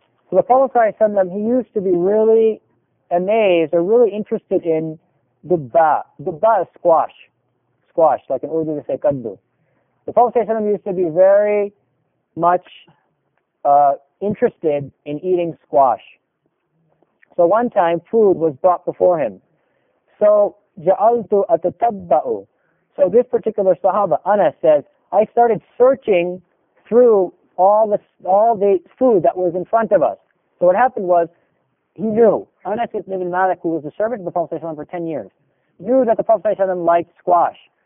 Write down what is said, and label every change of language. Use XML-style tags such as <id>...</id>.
<en>So the Prophet صلى الله عليه وسلم, he used to be really amazed or really interested in dubba. Dubba is squash. Squash, like in Urdu they say kaddu. The Prophet صلى الله عليه وسلم used to be very much interested in eating squash. So one time food was brought before him. So</en> <ar>جَعَلْتُ أَتَتَبَّأُ.</ar> <en>So this particular sahaba, Anas, says, I started searching through all the food that was in front of us. So what happened was, he knew. Anas ibn Malik, who was the servant of the Prophet for 10 years, knew that the Prophet liked squash.</en>